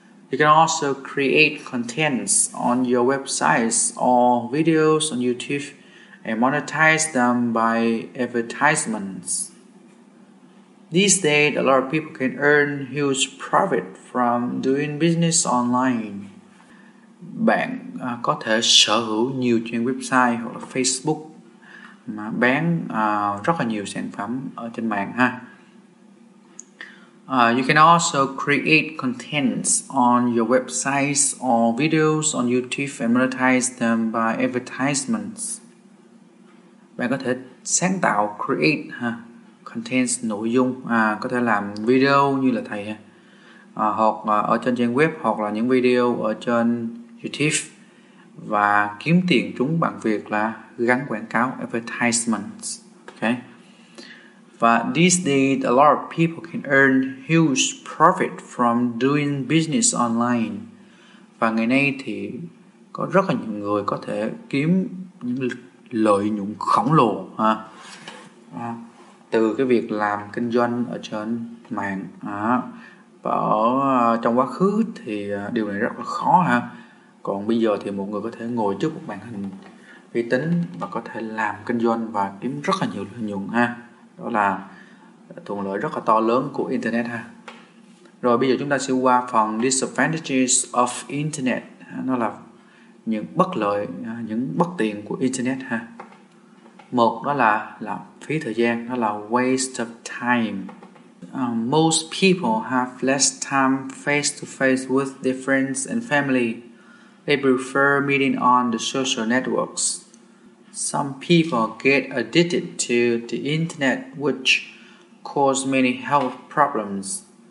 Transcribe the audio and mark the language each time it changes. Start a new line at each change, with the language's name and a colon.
English: You can also create contents on your websites or videos on YouTube and monetize them by advertisements. These days, a lot of people can earn huge profit from doing business online.
Vietnamese: Bạn có thể sở hữu nhiều trang website hoặc là Facebook mà bán rất là nhiều sản phẩm ở trên mạng ha.
English: You can also create contents on your websites or videos on YouTube and monetize them by advertisements.
Vietnamese: Bạn có thể sáng tạo,
English: create ha,
Vietnamese: contents nội dung, có thể làm video như là thầy ha, hoặc ở trên trang web, hoặc là những video ở trên YouTube, và kiếm tiền chúng bằng việc là gắn quảng cáo advertisements.
English: Okay. Và these days a lot of people can earn huge profit from doing business online.
Vietnamese: Và ngày nay thì có rất là nhiều người có thể kiếm những lợi nhuận khổng lồ ha. Từ cái việc làm kinh doanh ở trên mạng ha. Và ở trong quá khứ thì điều này rất là khó ha. Còn bây giờ thì một người có thể ngồi trước một màn hình vi tính và có thể làm kinh doanh và kiếm rất là nhiều lợi nhuận ha. Đó là thuận lợi rất là to lớn của Internet ha. Rồi bây giờ chúng ta sẽ qua phần
English: disadvantages of Internet.
Vietnamese: Nó là những bất lợi, những bất tiện của Internet ha. Một đó là lãng phí thời gian, đó là
English: waste of time. Most people have less time face to face with their friends and family. They prefer meeting on the social networks. Some people get addicted to the internet, which cause many health problems.